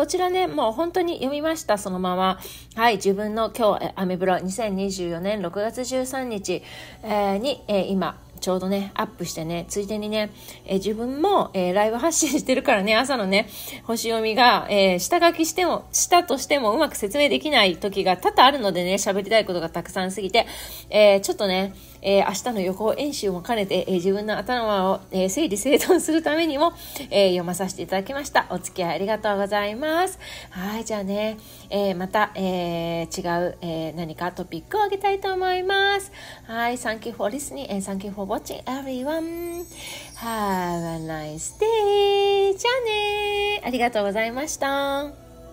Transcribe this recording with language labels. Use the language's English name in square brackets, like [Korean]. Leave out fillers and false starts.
[Japanese] こちらね、もう本当に読みました、そのまま。はい、自分の今日、アメブロ2024年6月13日、に、今、ちょうどね、アップしてね、ついでにね、自分も、ライブ発信してるからね、朝のね、星読みが、下書きしたとしても、うまく説明できない時が多々あるのでね、喋りたいことがたくさんすぎて、ちょっとね、明日の予行演習も兼ねて、自分の頭を、整理整頓するためにも、読まさせていただきました。お付き合いありがとうございます。はい、じゃあね、また、違う、何かトピックをあげたいと思います。 [English] はい、Thank you for listening and thank you for watching everyone. Have a nice day. [Japanese] じゃあね、ありがとうございました。